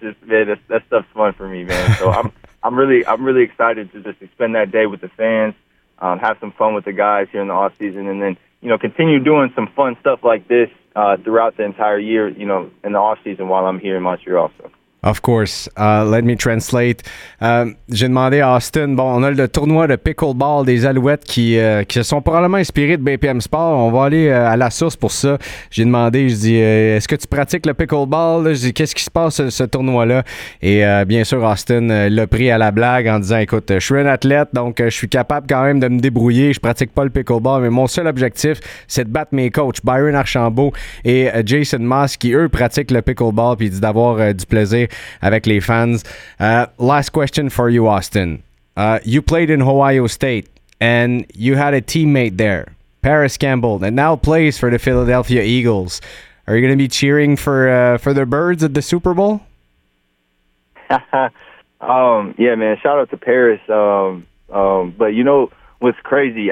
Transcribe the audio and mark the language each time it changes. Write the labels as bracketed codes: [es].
[en] It's just, man, that stuff's fun for me, man. So I'm really excited to just spend that day with the fans, have some fun with the guys here in the off season, and then, you know, continue doing some fun stuff like this throughout the entire year, you know, in the off season while I'm here in Montreal. So. Of course. Let me translate. [fr] J'ai demandé à Austin, bon, on a le tournoi de pickleball des Alouettes qui sont probablement inspirés de BPM Sport. On va aller à la source pour ça. J'ai demandé, je dis, est-ce que tu pratiques le pickleball? Je dis, qu'est-ce qui se passe ce tournoi-là? Et bien sûr, Austin l'a pris à la blague en disant, écoute, je suis un athlète, donc je suis capable quand même de me débrouiller. Je pratique pas le pickleball, mais mon seul objectif, c'est de battre mes coachs, Byron Archambault et Jason Moss, qui eux pratiquent le pickleball, puis d'avoir du plaisir avec les fans. [en] Last question for you, Austin. You played in Ohio State and you had a teammate there, Paris Campbell, that now plays for the Philadelphia Eagles. Are you going to be cheering for the Birds at the Super Bowl? Yeah, man, shout out to Paris. But you know what's crazy?